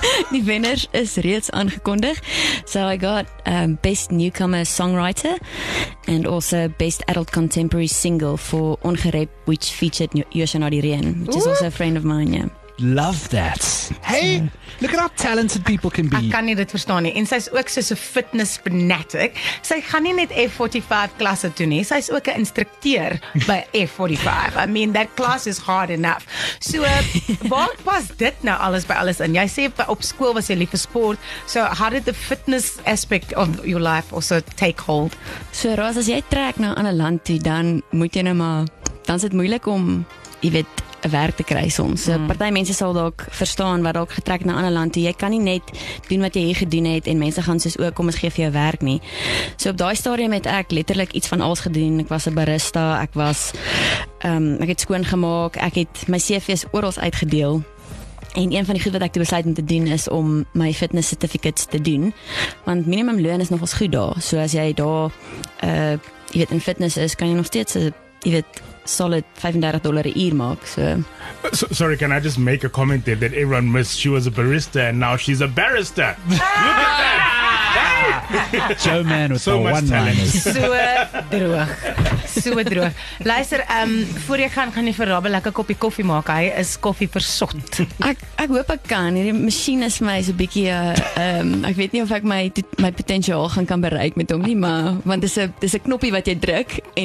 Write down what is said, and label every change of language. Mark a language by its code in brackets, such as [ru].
[af] Die wenner is reeds aangekondig. [en] So I got Best Newcomer Songwriter and also Best Adult Contemporary Single for Ongerep, which featured Yoshana Dirien, which is also a friend of mine, yeah. Love that. Hey, look at how talented people can be. [af] Ek kan nie dit verstaan nie. En sy is ook soos 'n [en] fitness fanatic. [af] Sy gaan nie net F45 klasse doen nie. Sy is ook 'n instrukteur by F45. [en] I mean, that class is hard enough. [af] So, waar pas dit nou alles by alles in? Jy sê op skool was jy lief vir sport. [en] So, how did the fitness aspect of your life also take hold? [af] So, Roos, as jy trek nou aan 'n land toe, dan moet jy nou maar, dan is dit moeilik om, jy weet, werk te kry soms. Party mense sal dalk verstaan wat dalk getrek na ander land toe. Jy kan nie net doen wat jy hier gedoen het en mense gaan soos ook, kom ons gee vir jou werk nie. So op daai stadium het ek letterlik iets van alles gedoen. Ek was 'n barista, ek het skoon gemaak, ek het my CV's oral uitgedeel. En een van die goed wat ek toe besluit om te doen is om my [en] fitness certificates [af] te doen. Want minimum loon is nogals goed daar. So as jy daar jy weet, in fitness is, kan jy nog steeds, jy weet, [en] solid $35 a year mark. So, sorry, can I just make a comment there that everyone missed? She was a barista and now she's a barrister. Look at that. Joe Man with so the one-liners. [af] So droog. So droog. Luister, voor jy gaan jy vir Rob 'n lekker koppie koffie maak. Hy is koffie versot. Ek hoop ek kan. Hierdie masjien is my so bietjie ek weet nie of ek my potensiaal gaan kan bereik met hom nie, maar want dis 'n knoppie wat jy druk en